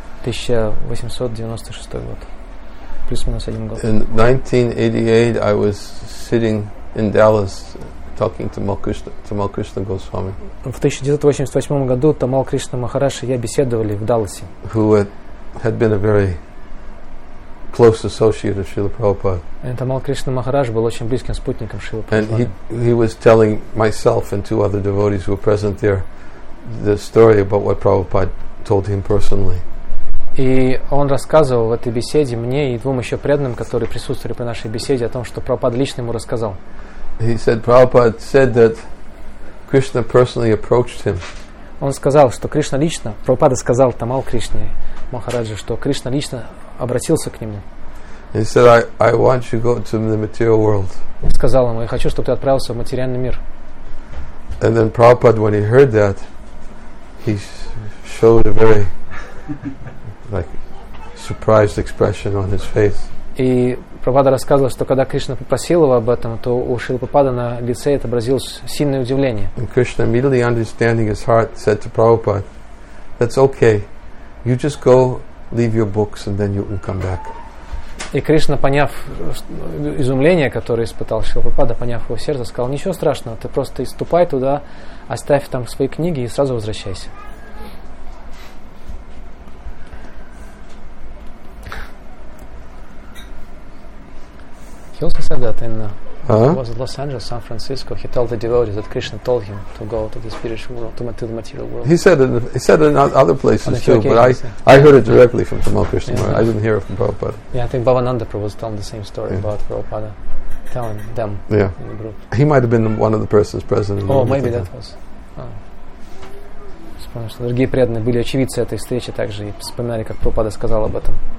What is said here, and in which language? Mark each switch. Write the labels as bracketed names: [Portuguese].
[Russian] 1896 год. Плюс-минус один год. [English] In 1988 I was sitting in Dallas talking to Tamal Krishna Goswami. [Russian] В 1988 году Тамал Кришна Махараш и я беседовали в Далласе. [English] Who had been a very close associate of Srila Prabhupada. [Russian] And Tamal Krishna Maharaj был очень близким спутником Шрилы Прабхупады. [English] And he was telling myself and two other devotees who were present there the story about what Prabhupada told him personally. [Russian] И он рассказывал в этой беседе мне и двум еще преданным, которые присутствовали при нашей беседе, о том, что Прабхупада лично ему рассказал. [English] He said Prabhupada said that Krishna personally approached him. [Russian] Он сказал, что Кришна лично, Прабхупада сказал Тамал Кришне Махараджу, что Кришна лично обратился к нему. [English] He said, I want you to go to the material world. [Russian] И сказал ему, я хочу, чтобы ты отправился в материальный мир. [English] And then Prabhupada, when he heard that, he showed a very surprised expression on his face. [Russian] И Прабхупада рассказывал, что когда Кришна попросил его об этом, то у Шрилы Прабхупады на лице отобразилось сильное удивление. [English] And Krishna, immediately understanding his heart, said to Prabhupada, that's okay. You just go leave your books and then you can come back. [Russian] И Кришна, поняв изумление, которое испытал Шрила Прабхупада, поняв его сердце, сказал, ничего страшного, ты просто ступай туда, оставь там свои книги и сразу возвращайся. [English] He also said that in was Los Angeles, San Francisco, he told the devotees that Krishna told him to go to the spiritual world, to the material world. He said it in other places too, but I heard it directly from Tamal Krishna. Yeah. I didn't hear it from Prabhupada. Yeah, I think Bhavananda Prabhu was telling the same story about Prabhupada telling them in the group. He might have been one of the persons present. Oh, maybe that was. [Russian] Потому что другие преданные были очевидцы этой встречи также и вспоминали, как Прабхупада сказал об этом.